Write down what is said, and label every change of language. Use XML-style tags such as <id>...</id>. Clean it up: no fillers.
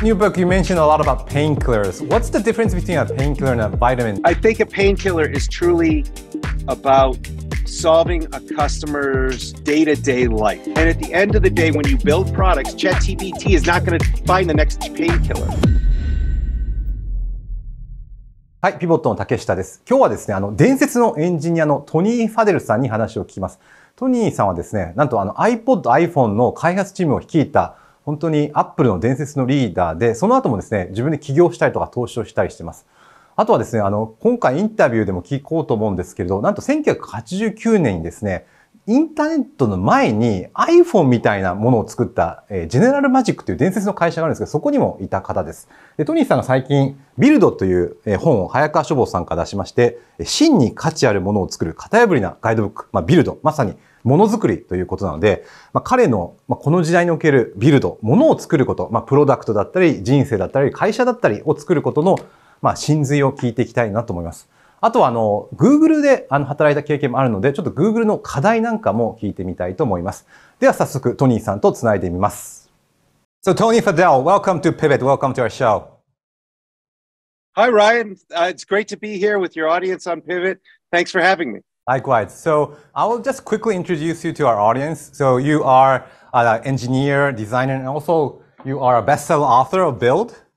<en>In your book, you mentioned a lot about painkillers. What's the difference between a painkiller and a vitamin? I think a painkiller is truly about solving a customer's day-to-day life. And at the end of the day, when you build products, ChatGPT is not going to find the next painkiller.</en> <ja>はい、ピボットの竹下です。今日はですね、伝説のエンジニアのトニー・ファデルさんに話を聞きます。トニーさんはですね、なんと iPod、iPhone の開発チームを率いた、本当に Apple の伝説のリーダーで、その後もですね、自分で起業したりとか投資をしたりしています。あとはですね、今回インタビューでも聞こうと思うんですけれど、なんと1989年にですね、インターネットの前に iPhone みたいなものを作った General Magicという伝説の会社があるんですけど、そこにもいた方です。で、トニーさんが最近ビルドという本を早川書房さんから出しまして、真に価値あるものを作る型破りなガイドブック、まあ、ビルド、まさにものづくりということなので、まあ、彼のこの時代におけるビルド、ものを作ること、まあ、プロダクトだったり人生だったり会社だったりを作ることの、まあ、真髄を聞いていきたいなと思います。あとは Google で働いた経験もあるので、ちょっと Google の課題なんかも聞いてみたいと思います。では早速トニーさんとつないでみます。</ja> <en>So Tony Fadell, welcome to Pivot, welcome to our show. Hi Ryan, it's great to be here with your audience on Pivot, thanks for having me. Likewise, so I will just quickly introduce you to our audience. So you are an engineer, designer, and also you are a best-selling author of Build.</en>